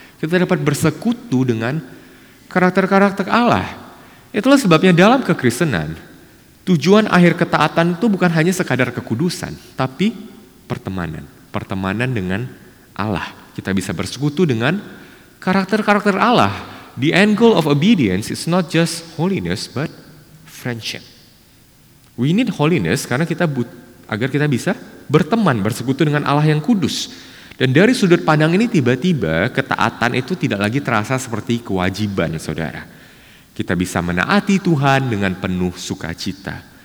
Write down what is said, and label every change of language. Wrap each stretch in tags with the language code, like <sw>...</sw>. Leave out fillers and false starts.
<id>Kita dapat bersekutu dengan karakter-karakter Allah. Itulah sebabnya dalam kekristenan, tujuan akhir ketaatan itu bukan hanya sekadar kekudusan, tapi pertemanan. Pertemanan dengan Allah. Kita bisa bersekutu dengan karakter-karakter Allah.</id> <en>The end goal of obedience is not just holiness, but friendship. We need holiness</en> <id>karena kita agar kita bisa berteman, bersekutu dengan Allah yang kudus. Dan dari sudut pandang ini tiba-tiba ketaatan itu tidak lagi terasa seperti kewajiban, saudara. Kita bisa menaati Tuhan dengan penuh sukacita.</id>